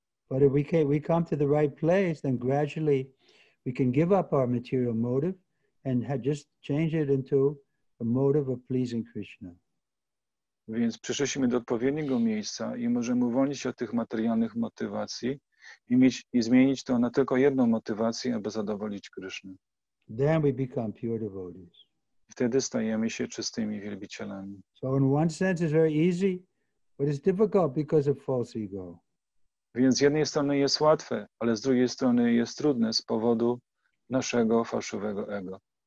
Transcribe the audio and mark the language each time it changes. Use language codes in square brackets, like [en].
[en] But if we come to the right place, then gradually we can give up our material motive and just change it into a motive of pleasing Krishna. [pl] Więc przyszliśmy do odpowiedniego miejsca i możemy uwolnić się od tych materialnych motywacji i zmienić to na tylko jedną motywację, aby zadowolić Krysznę. [en] Then we become pure devotees. [pl] Wtedy stajemy się czystymi wielbicielami. [en] So in one sense it's very easy, but it's difficult because of false ego. [pl] Więc z jednej strony jest łatwe, ale z drugiej strony jest trudne z powodu naszego fałszywego ego.